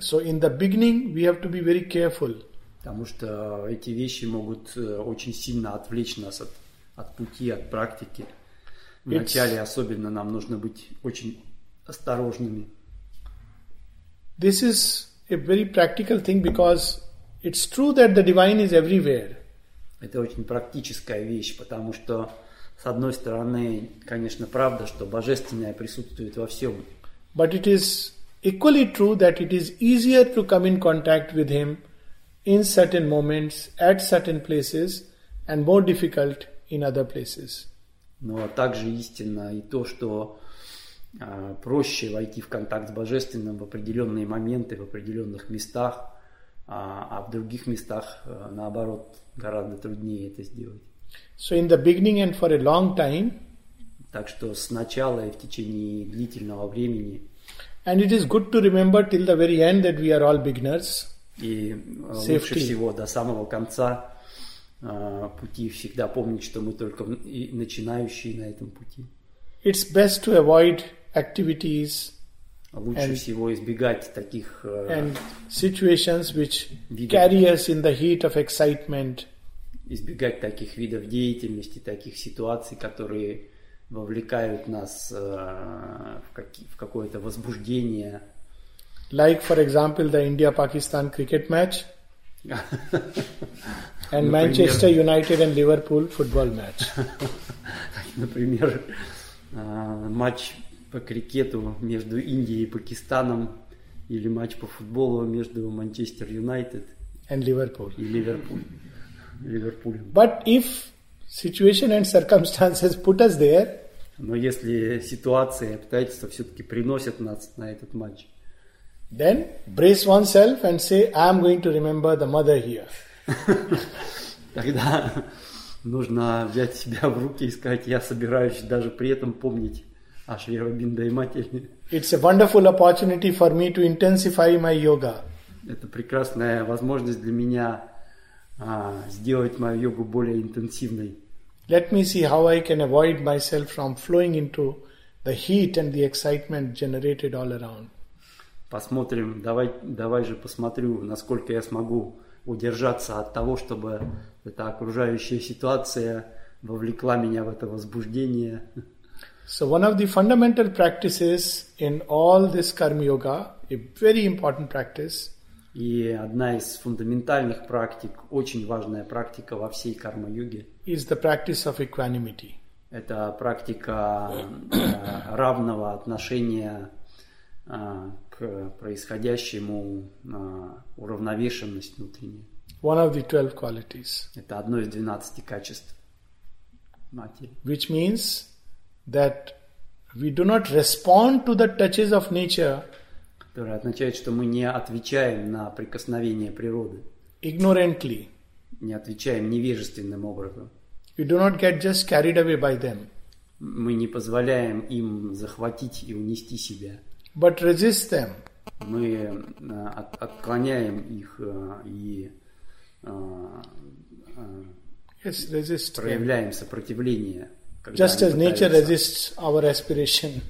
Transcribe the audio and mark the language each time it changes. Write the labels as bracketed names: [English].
[English] So in the beginning, we have to be very careful. [Russian] Потому что эти вещи могут очень сильно отвлечь нас от, от пути, от практики. Вначале особенно нам нужно быть очень осторожными. [English] This is a very practical thing because it's true that the divine is everywhere. [Russian] Это очень практическая вещь, потому что с одной стороны, конечно, правда, что божественное присутствует во всем. [English] But it is equally true that it is easier to come in contact with him in certain moments, at certain places, and more difficult in other places. [Russian] Но также истинно и то, что проще войти в контакт с Божественным в определенные моменты, в определенных местах, а в других местах, наоборот, гораздо труднее это сделать. [English] So in the beginning and for a long time. [Russian] Так что сначала и в течение длительного времени. [English] And it is good to remember till the very end that we are all beginners. [Russian] И лучше всего до самого конца пути всегда помнить, что мы только начинающие на этом пути. [English] It's best to avoid activities. [Russian] Лучше всего избегать таких [English] situations which carry us in the heat of excitement. [Russian] Избегать таких видов деятельности, таких ситуаций, которые вовлекают нас в какое-то возбуждение. [English] Like, for example, the India-Pakistan cricket match and Manchester United and Liverpool football match. [Russian] Например, матч по крикету между Индией и Пакистаном или матч по футболу между Manchester United [English] and Liverpool. [Russian] И Ливерпуль. Ливерпуль. [English] But if situation and circumstances put us there. [Russian] Но если ситуация и обстоятельства все-таки приносят нас на этот матч. [English] Then brace oneself and say, I am going to remember the mother here. [Russian] Тогда нужно взять себя в руки и сказать, я собираюсь даже при этом помнить о Шри Аурабиндо и матери. [English] It's a wonderful opportunity for me to intensify my yoga. [Russian] Это прекрасная возможность для меня сделать мою йогу более интенсивной. [English] Let me see how I can avoid myself from flowing into the heat and the excitement generated all around. [Russian] Посмотрим, давай же посмотрю, насколько я смогу удержаться от того, чтобы эта окружающая ситуация вовлекла меня в это возбуждение. [English] So one of the fundamental practices in all this karma yoga, a very important practice. [Russian] И одна из фундаментальных практик, очень важная практика во всей карма йоге. [English] Is the practice of equanimity. [Russian] Это практика равного отношения к происходящему, уравновешенность внутренняя. [English] One of the 12 qualities. [Russian] Это одно из 12 качеств матери. [English] Which means that we do not respond to the touches of nature. [Russian] Которое означает, что мы не отвечаем на прикосновение природы. [English] Ignorantly. [Russian] Не отвечаем невежественным образом. [English] We do not get just carried away by them. [Russian] Мы не позволяем им захватить и унести себя. [English] but resist them. [Russian] Мы отклоняем их и [English] yes, resist [Russian] проявляем [English] them. [Russian] Сопротивление. [English] Just as nature resists our aspiration.